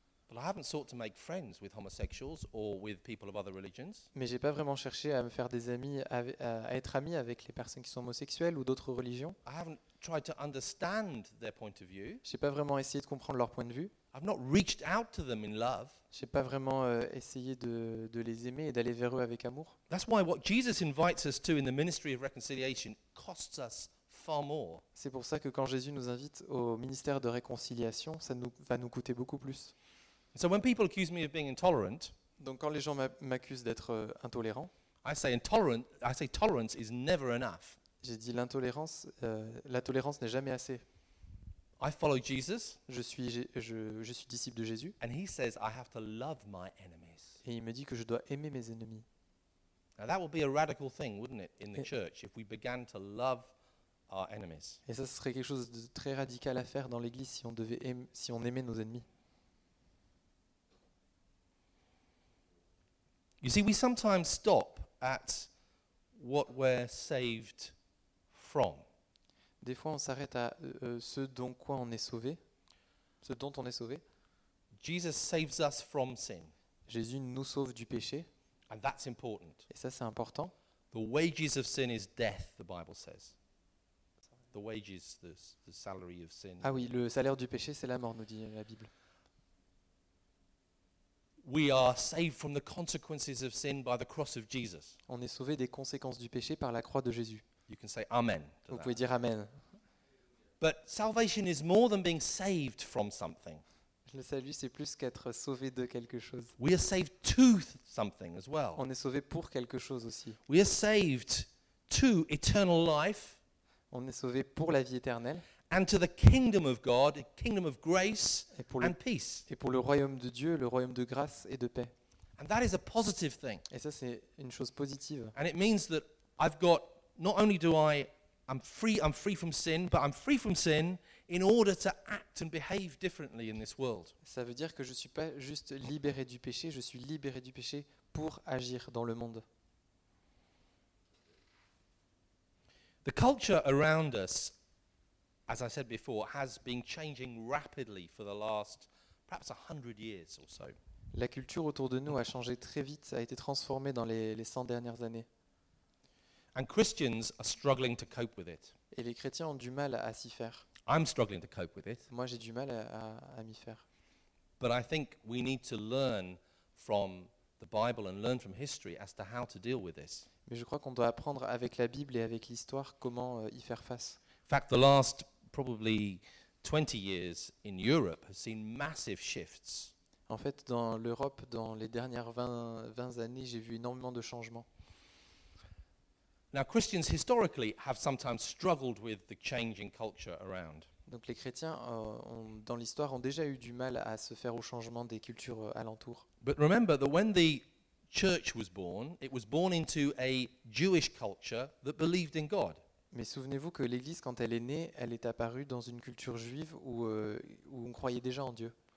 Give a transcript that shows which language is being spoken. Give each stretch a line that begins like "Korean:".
English: But I haven't sought to make friends with homosexuals or with people of other religions.
French: Mais j'ai pas vraiment cherché à me faire des amis à être ami avec les personnes qui sont homosexuelles ou d'autres religions.
English: I haven't tried to understand their point of view.
French: J'ai pas vraiment essayé de comprendre leur point de vue.
English: I've not reached out to them in love.
French: J'ai pas vraiment essayé de les aimer et d'aller vers eux avec amour.
English: That's why what Jesus invites us to in the ministry of reconciliation costs us far more.
French: C'est pour ça que quand Jésus nous invite au ministère de réconciliation, ça va nous coûter beaucoup plus.
English: So when people accuse me of being intolerant,
French: donc quand les gens m'accusent d'être intolérant,
English: I say tolerance is never enough.
French: J'ai dit l'intolérance, la tolérance n'est jamais assez.
English: I follow Jesus.
French: Je suis disciple de Jésus.
English: And he says I have to love my enemies.
French: Et il me dit que je dois aimer mes ennemis.
English: Now that would be a radical thing, wouldn't it, in the church if we began to love our enemies?
French: Et ça serait quelque chose de très radical à faire dans l'Église si on aimait nos ennemis.
English: You see, we sometimes stop at what we're saved from.
French: Des fois, on s'arrête à ce dont quoi on est sauvé, ce dont on est sauvé.
English: Jesus saves us from sin.
French: Jésus nous sauve du péché.
English: And that's important.
French: Et ça, c'est important.
English: The wages of sin is death, the Bible says. The wages, the salary of sin.
French: Ah oui, le salaire du péché, c'est la mort, nous dit la Bible.
English: We are saved from the consequences of sin by the cross of Jesus.
French: On est sauvé des conséquences du péché par la croix de Jésus.
English: You can say amen.
French: Vous pouvez dire amen.
English: But salvation is more than being saved from something.
French: Le salut c'est plus qu'être sauvé de quelque chose.
English: We are saved to something as well.
French: On est sauvé pour quelque chose aussi.
English: We are saved to eternal life.
French: On est sauvé pour la vie éternelle.
English: And to the kingdom of God, the kingdom of grace and peace.
French: Et pour le royaume de Dieu, le royaume de grâce et de paix.
English: And that is a positive thing.
French: Et ça c'est une chose positive.
English: And it means that I've got not only do I I'm free from sin, but I'm free from sin in order to act and behave differently in this world.
French: Ça veut dire que je suis pas juste libéré du péché, je suis libéré du péché pour agir dans le monde.
English: The culture around us, as I said before, has been changing rapidly for the last perhaps 100 years or so.
French: La culture autour de nous a changé très vite, a été transformée dans les 100 dernières années.
English: And Christians are struggling to cope with it.
French: Et les chrétiens ont du mal à s'y faire.
English: I'm struggling to cope with it.
French: Moi j'ai du mal à m'y faire.
English: But I think we need to learn from the Bible and learn from history as to how to deal with this.
French: Mais je crois qu'on doit apprendre avec la Bible et avec l'histoire comment y faire face.
English: In fact, the last probably 20 years in Europe has seen massive shifts.
French: En fait, dans l'Europe, dans les dernières 20 années, j'ai vu énormément de changements.
English: Now, Christians historically have sometimes struggled with the changing culture around.
French: Donc, les chrétiens, dans l'histoire, ont déjà eu du mal à se faire au changement des cultures alentour.
English: But remember that when the church was born, it was born into a Jewish culture that believed in God.
French: Mais souvenez-vous que l'Église, quand elle est née, elle est apparue dans une culture juive où on croyait déjà en Dieu.